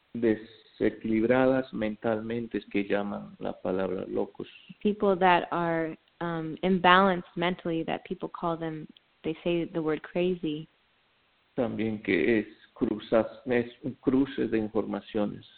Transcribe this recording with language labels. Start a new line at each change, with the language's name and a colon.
Spanish: desequilibradas mentalmente, es que llaman la palabra locos.
English: People that are imbalanced mentally, that people call them, they say the word crazy.
Spanish: También que es cruzas, es un cruce de informaciones.